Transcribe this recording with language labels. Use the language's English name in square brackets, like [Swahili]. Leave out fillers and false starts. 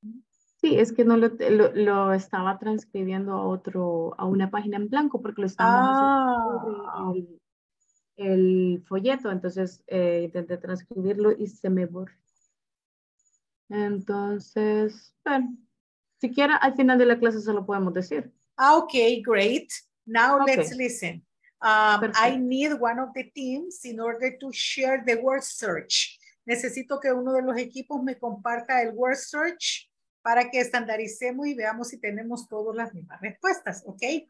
[Spanish] Sí, es que no lo, lo estaba transcribiendo a otro, a una página en blanco porque lo estaba haciendo el folleto, entonces intenté transcribirlo y se me borró. Entonces, bueno, siquiera al final de la clase se lo podemos decir. [English] Okay, great. Now okay. Let's listen. I need one of the teams in order to share the word search. [Spanish] Necesito que uno de los equipos me comparta el word search para que estandaricemos y veamos si tenemos todas las mismas respuestas, okay?